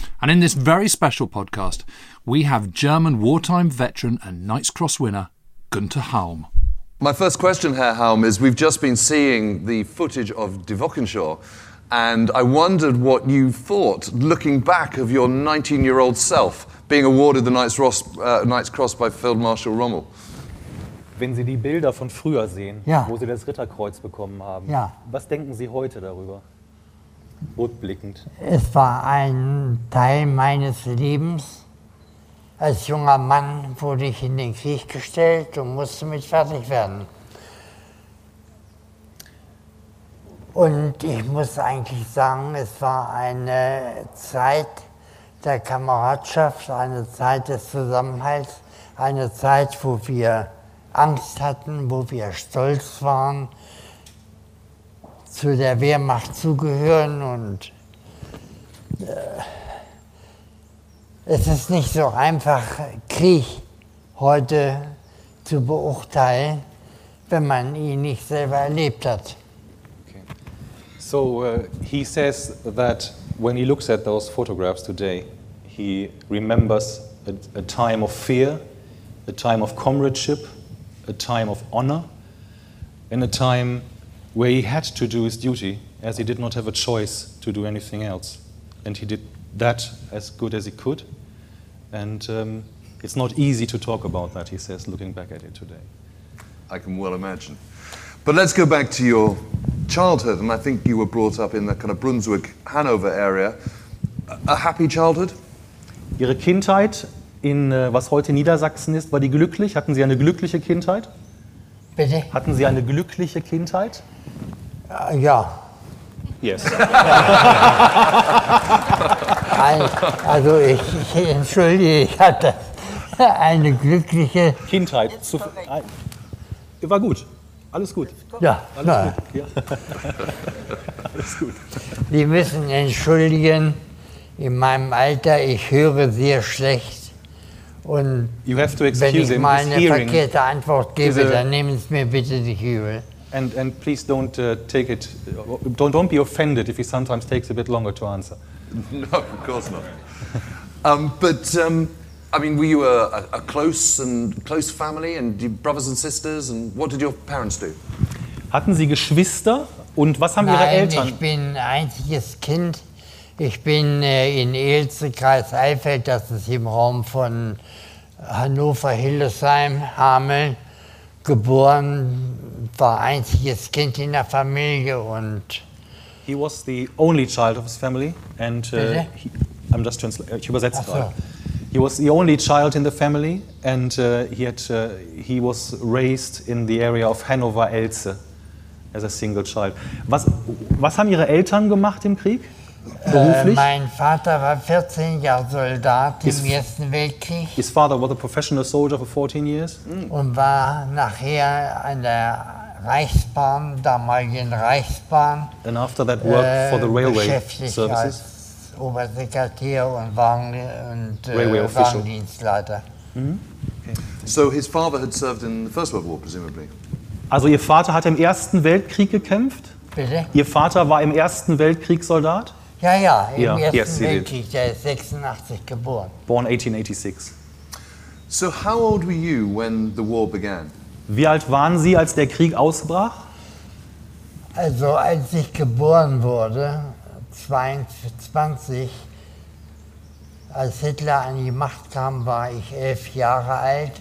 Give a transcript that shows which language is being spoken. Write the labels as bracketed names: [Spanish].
[English] And in this very special podcast, we have German wartime veteran and Knight's Cross winner, Günter Halm. My first question, Herr Halm, is we've just been seeing the footage of Die Wochenschau, and I wondered what you thought, looking back, of your 19-year-old self being awarded the Knight's Cross by Field Marshal Rommel. [German] Wenn Sie die Bilder von früher sehen, ja, wo Sie das Ritterkreuz bekommen haben, ja, was denken Sie heute darüber? Rückblickend. Es war ein Teil meines Lebens. Als junger Mann wurde ich in den Krieg gestellt und musste mit fertig werden. Und ich muss eigentlich sagen, es war eine Zeit der Kameradschaft, eine Zeit des Zusammenhalts, eine Zeit, wo wir Angst hatten, wo wir stolz waren, zu der Wehrmacht zugehören. Und es ist nicht so einfach, Krieg heute zu beurteilen, wenn man ihn nicht selber erlebt hat. Okay. [English] So he says that when he looks at those photographs today, he remembers a time of fear, a time of comradeship, a time of honor, and a time where he had to do his duty, as he did not have a choice to do anything else. And he did that as good as he could. And it's not easy to talk about that, he says, looking back at it today. I can well imagine. But let's go back to your childhood. And I think you were brought up in that kind of Brunswick, Hanover area. A happy childhood? [German] Ihre Kindheit in was heute Niedersachsen ist, war die glücklich? Hatten Sie eine glückliche Kindheit? Bitte? Hatten Sie eine glückliche Kindheit? Ja. [English] Yes. [German] Also ich entschuldige, ich hatte eine glückliche Kindheit. War gut. Alles gut. Ja. Alles gut. Ja. Alles gut. Sie müssen entschuldigen, in meinem Alter, ich höre sehr schlecht. Und [English] you have to excuse [German] wenn ich [English] him. [German] Mal eine verkehrte Antwort gebe, dann nehmen Sie mir bitte nicht übel. [English] And please don't take it, don't be offended if he sometimes takes a bit longer to answer. No, of course not. I mean, were you a close family and brothers and sisters? And what did your parents do? [German] Hatten Sie Geschwister? Und was haben Nein, Ihre Eltern? Ich bin einziges Kind. Ich bin in Elze, Kreis Eifel, das ist im Raum von Hannover, Hildesheim, Hameln, geboren, war einziges Kind in der Familie und... [English] He was the only child of his family and... I'm just translating, [German] ich übersetze gerade. [English] He was the only child in the family and he was raised in the area of Hannover, Elze, as a single child. [German] Was haben Ihre Eltern gemacht im Krieg? Mein Vater war 14 Jahre Soldat im Ersten Weltkrieg. [English] His father was a professional soldier for 14 years. [German] Und war nachher an der Reichsbahn, damaligen Reichsbahn. [English] And after that worked for the railway [German] beschäftigt [English] services. [German] Als Obersekretär und Wagendienstleiter. [English] Mm-hmm. Okay. So his father had served in the First World War, presumably. [German] Also Ihr Vater hat im Ersten Weltkrieg gekämpft? Bitte? Ihr Vater war im Ersten Weltkrieg Soldat? Ja, ja, im Ersten Weltkrieg, der ist 86 geboren. [English] Born 1886. So how old were you when the war began? [German] Wie alt waren Sie, als der Krieg ausbrach? Also als ich geboren wurde, 22, als Hitler an die Macht kam, war ich 11 Jahre alt.